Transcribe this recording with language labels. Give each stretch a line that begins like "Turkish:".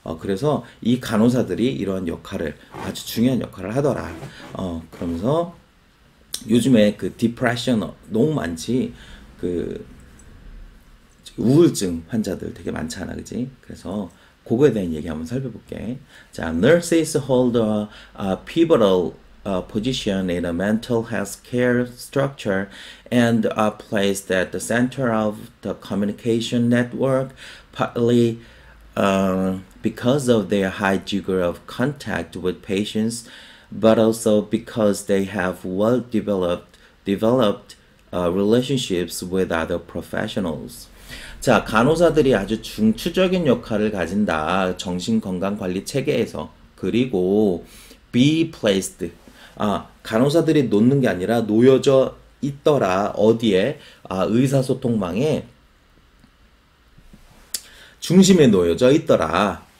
Korean: 그래서 이 간호사들이 이러한 역할을 아주 중요한 역할을 하더라. 그러면서 요즘에 그 디프레션 너무 많지. 그 우울증 환자들 되게 많잖아, 그지? 그래서 그거에 대한 얘기 한번 살펴볼게.
English: 자, nurses hold a pivotal position in a mental health care structure and are placed at the center of the communication network, partly because of their high degree of contact with patients, but also because they have well-developed relationships with other professionals.
Korean: 자, 간호사들이 아주 중추적인 역할을 가진다. 정신건강관리 체계에서. 그리고
English: be placed.
Korean: 간호사들이 놓는 게 아니라 놓여져 있더라. 어디에? 의사소통망에 중심에 놓여져 있더라.